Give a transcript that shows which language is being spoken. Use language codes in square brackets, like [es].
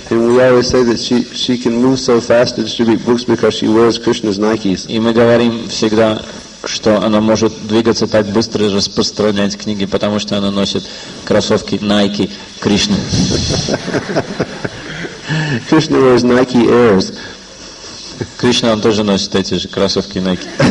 [en] And we always say that she can move so fast to distribute books because she wears Krishna's Nikes. [ru] И мы говорим всегда, что она может двигаться так быстро и распространять книги, потому что она носит кроссовки Nike Кришны. [en] Krishna wears Nike Airs. [ru] Кришна он тоже носит эти же кроссовки Nike.